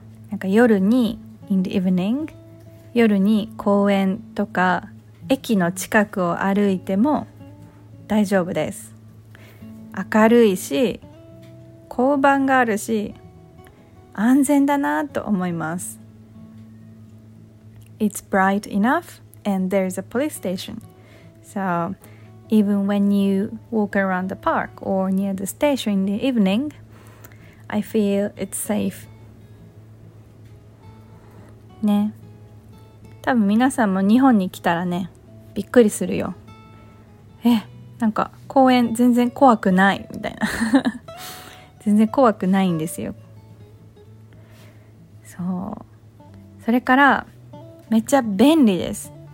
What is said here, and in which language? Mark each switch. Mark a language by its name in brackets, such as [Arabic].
[Japanese] なんか夜に [English] in the evening, [Japanese] 夜に公園とか駅の近くを歩いても大丈夫です。明るいし、交番があるし、安全だなと思います。 [English] It's bright enough and there's a police station. So even when you walk around the park or near the station in the evening, I feel it's safe. [Japanese] ね。多分皆さんも日本に来たらね、びっくりするよ。え、なんか公園全然怖くないみたいな全然怖くないんですよ。そう、それからめっちゃ便利です。